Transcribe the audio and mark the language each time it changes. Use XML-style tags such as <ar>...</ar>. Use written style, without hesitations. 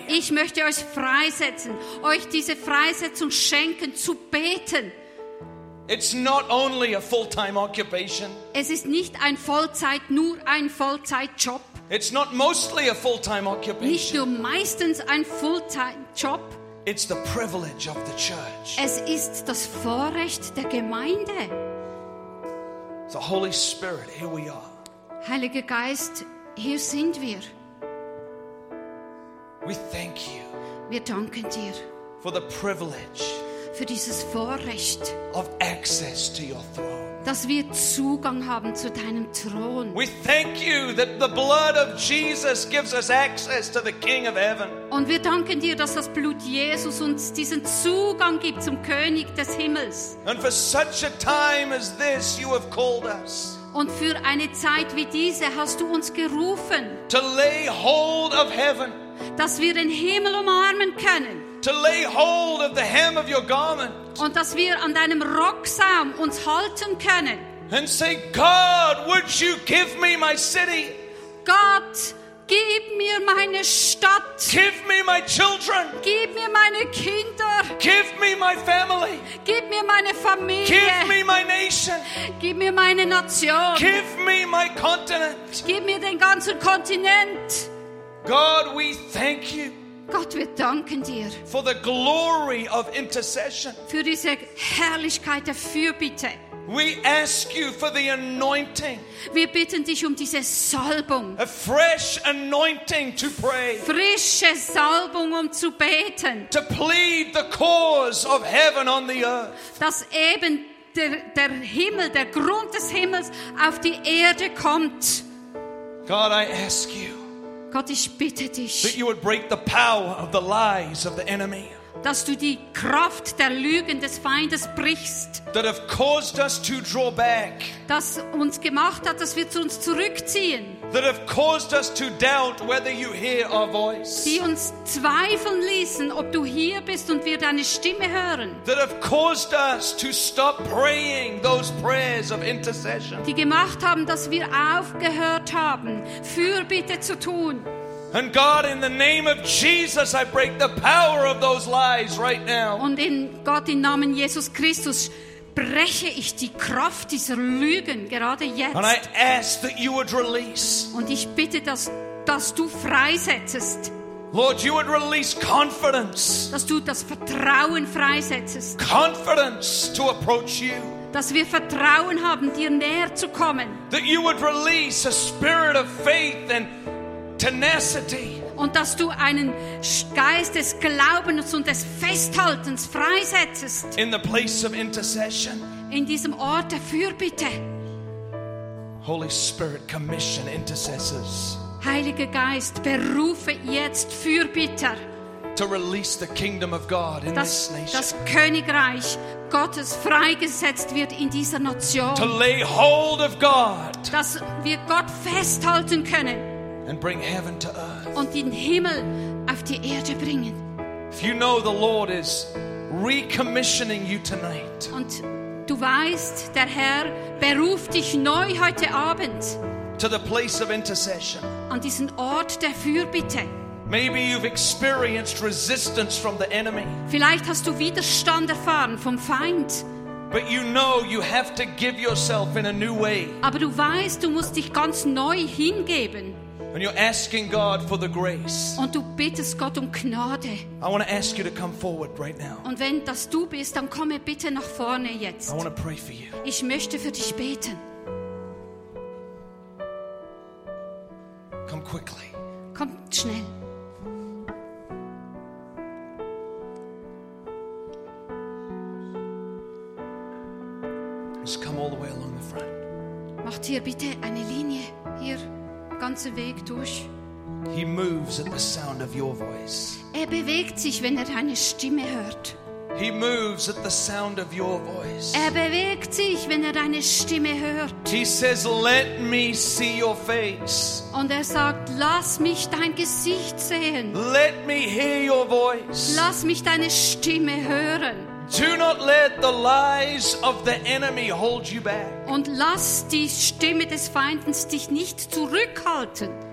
<de>Ich möchte euch freisetzen, euch diese Freisetzung schenken zu beten.</de> <en>It's not only a full-time occupation.</en> <de>Es ist nicht ein Vollzeit nur ein Vollzeitjob.</de> <en>It's not mostly a full-time occupation.</en> <de>Nicht nur meistens ein Fulltime-Job.</de> <en>It's the privilege of the church.</en> <de>Es ist das Vorrecht der Gemeinde.</de> <en>The Holy Spirit, here we are.</en> <de>Heiliger Geist, hier sind wir.</de> <en>We thank you.</en> <de>Wir danken dir.</de> <en>For the privilege.</en> <de>Für dieses Vorrecht.</de> <en>Of access to your throne.</en> <de>Dass wir Zugang haben zu deinem Thron.</de> <en>We thank you that the blood of Jesus gives us access to the King of Heaven.</en> <de>Und wir danken dir, dass das Blut Jesus uns diesen Zugang gibt zum König des Himmels.</de> <en>And for such a time as this, you have called us.</en> <de>Und für eine Zeit wie diese hast du uns gerufen.</de> <en>To lay hold of heaven.</en> <de>Dass wir den Himmel umarmen können.</de> <en>To lay hold of the hem of your garment.</en> <de>Und dass wir an deinem Rocksaum uns halten können.</de> <en>And say, God, would you give me my city?</en> <de>Gott, gib mir meine Stadt.</de> <en>Give me my children.</en> <de>Gib mir meine Kinder.</de> <en>Give me my family.</en> <de>Gib mir meine Familie.</de> <en>Give me my nation.</en> <de>Gib mir meine Nation.</de> <en>Give me my continent.</en> <de>Gib mir den ganzen Kontinent.</de> <en>God, we thank you.</en> <de>Gott, wir danken dir.</de> <en>For the glory of intercession.</en> <de>Für diese Herrlichkeit der Fürbitte.</de> <en>We ask you for the anointing.</en> <de>Wir bitten dich um diese Salbung.</de> <en>A fresh anointing to pray.</en> <de>Frische Salbung, um zu beten.</de> <en>To plead the cause of heaven on the earth.</en> <de>Dass eben der Himmel, der Grund des Himmels auf die Erde kommt.</de> <en>God, I ask you.</en> <de>Gott, ich bitte dich,</de> <en>that you would break the power of the lies of the enemy.</en> <de>Dass du die Kraft der Lügen des Feindes brichst.</de> <en>That have caused us to draw back.</en> <de>Das uns gemacht hat, dass wir zu uns zurückziehen.</de> <en>That have caused us to doubt whether you hear our voice.</en> <de>Die uns zweifeln ließen, ob du hier bist und wir deine Stimme hören.</de> <en>That have caused us to stop praying those prayers of intercession.</en> <de>Die gemacht haben, dass wir aufgehört haben, Fürbitte zu tun.</de> <en>And God, in the name of Jesus, I break the power of those lies right now.</en> <de>Und in Gott, im Namen Jesus Christus, breche ich die Kraft dieser Lügen gerade jetzt.</de> <en>And I ask that you would release.</en> <de>Und ich bitte, dass du freisetzest.</de> <en>Lord, you would release confidence.</en> <de>Dass du das Vertrauen freisetzest.</de> <en>Confidence to approach you.</en> <de>Dass wir Vertrauen haben, dir näher zu kommen.</de> <en>That you would release a spirit of faith and tenacity.</en> <de>Und dass du einen Geist des Glaubens und des Festhaltens freisetzest.</de> <en>In the place of intercession.</en> <de>In diesem Ort der Fürbitte.</de> <en>Holy Spirit, commission intercessors.</en> <de>Heiliger Geist, berufe jetzt Fürbitter.</de> <en>To release the kingdom of God in this nation.</en> <de>Das Königreich Gottes freigesetzt wird in dieser Nation.</de> <en>To lay hold of God.</en> <de>Dass wir Gott festhalten können.</de> <en>And bring heaven to earth.</en> <de>Und den Himmel auf die Erde bringen.</de> <en>If you know the Lord is recommissioning you tonight.</en> <de>Und Du weißt, der Herr beruft dich neu heute Abend</de> <en>to the place of intercession.</en> <de>An diesen Ort der Fürbitte.</de> <en>Maybe you've experienced resistance from the enemy.</en> <de>Vielleicht hast du Widerstand erfahren vom Feind.</de> <en>But you know you have to give yourself in a new way.</en> <de>Aber du weißt, du musst dich ganz neu hingeben.</de> <en>And you're asking God for the grace.</en> <de>Und du bittest Gott um Gnade.</de> <en>I want to ask you to come forward right now.</en> <de>Und wenn das du bist, dann komme bitte nach vorne jetzt.</de> <en>I want to pray for you.</en> <de>Ich möchte für dich beten.</de> <en>Come quickly.</en> <de>Komm schnell.</de> <en>Just come all the way along the front.</en> <de>Macht hier bitte eine Linie hier. Ganze Weg durch.</de> <en>He moves at the sound of your voice.</en> <de>Er bewegt sich, wenn er deine Stimme hört.</de> <en>He moves at the sound of your voice.</en> <de>Er bewegt sich, wenn er deine Stimme hört.</de> <en>He says, "Let me see your face."</en> <de>Und er sagt, lass mich dein Gesicht sehen.</de> <en>Let me hear your voice.</en> <de>Lass mich deine Stimme hören.</de> <en>Do not let the lies of the enemy hold you back.</en> <de>Und lass die Stimme des Feindes dich nicht zurückhalten.</de>